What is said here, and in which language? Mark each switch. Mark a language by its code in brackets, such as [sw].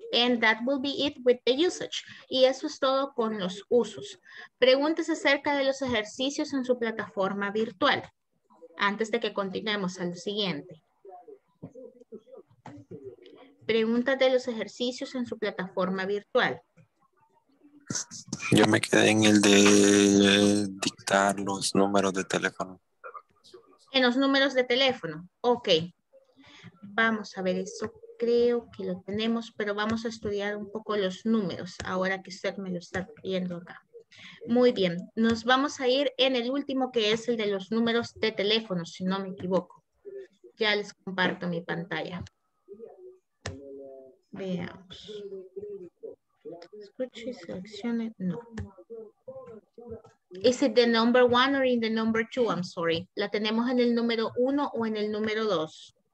[en] and that will be it with the usage. [es] Y eso es todo con los usos. Preguntas acerca de los ejercicios en su plataforma virtual. Antes de que continuemos al siguiente. Preguntas de los ejercicios en su plataforma virtual. Yo me quedé en el de dictar los números de teléfono. En los números de teléfono. Ok. Vamos a ver, eso creo que lo tenemos, pero vamos a estudiar un poco los números ahora que usted me lo está pidiendo acá. Muy bien, nos vamos a ir en el último que es el de los números de teléfono, si no me equivoco. Ya les comparto mi pantalla. Veamos. Escucho y seleccione. No. [en] Is it the number one or in the number two? I'm sorry. [es] ¿La tenemos en el número uno o en el número dos?